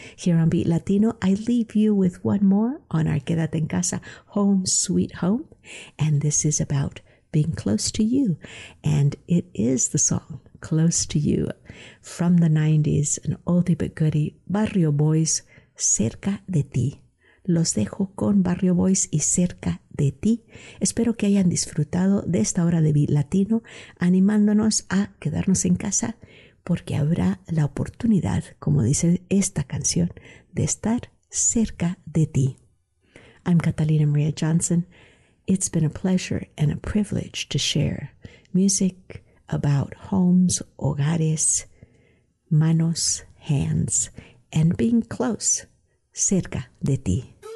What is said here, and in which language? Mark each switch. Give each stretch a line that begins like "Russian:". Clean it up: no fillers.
English: Here on Beat Latino, I leave you with one more on our Quédate en Casa, Home Sweet Home, and this is about being close to you, and it is the song Close to You from the 90s, an oldie but goodie, Barrio Boys, Cerca de Ti.
Spanish: Los dejo con Barrio Boys y Cerca de Ti. Espero que hayan disfrutado de esta hora de Beat Latino, animándonos a quedarnos en casa, porque habrá la oportunidad, como dice esta canción, de estar cerca de ti.
English: I'm Catalina Maria Johnson. It's been a pleasure and a privilege to share music about homes, hogares, manos, hands, and being close, cerca de ti.